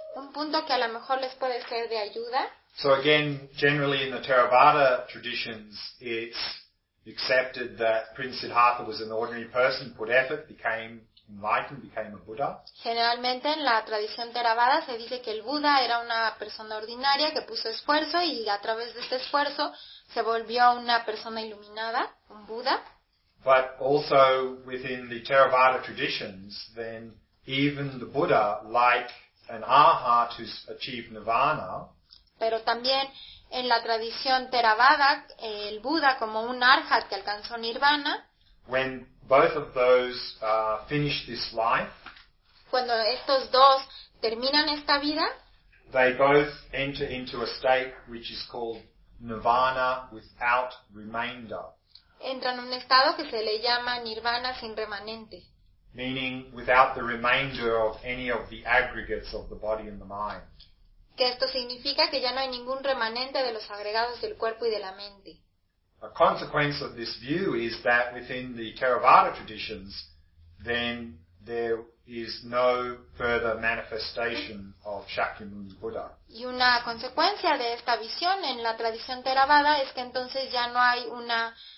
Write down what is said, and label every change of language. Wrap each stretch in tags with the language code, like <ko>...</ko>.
<es>Un punto que a lo mejor les puede ser de ayuda.</es> <en>So again, generally in the Theravada traditions, it's accepted that Prince Siddhartha was an ordinary person, put effort, became enlightened, became a Buddha.</en> <es>Generalmente en la tradición Theravada se dice que el Buda era una persona ordinaria que puso esfuerzo y a través de este esfuerzo se volvió una persona iluminada, un Buda.</es> <en>But also within the Theravada traditions, then even the Buddha, like an Arhat who's achieved Nirvana,</en> <es>pero también en la tradición Theravada, el Buda como un Arhat que alcanzó Nirvana,</es> <en>when both of those, finish this life,</en> <es>cuando estos dos terminan esta vida,</es> <en>they both enter into a state which is called Nirvana without remainder.</en> <es>Entran en un estado que se le llama Nirvana sin remanente.</es> <en>Meaning without the remainder of any of the aggregates of the body and the mind.</en> <es>Que esto significa que ya no hay ningún remanente de los agregados del cuerpo y de la mente.</es> <en>A consequence of this view is that within the Theravada traditions, then there is no further manifestation of Shakyamuni Buddha.</en> <es>Y una consecuencia de esta visión en la tradición Theravada es que entonces ya no hay una</es>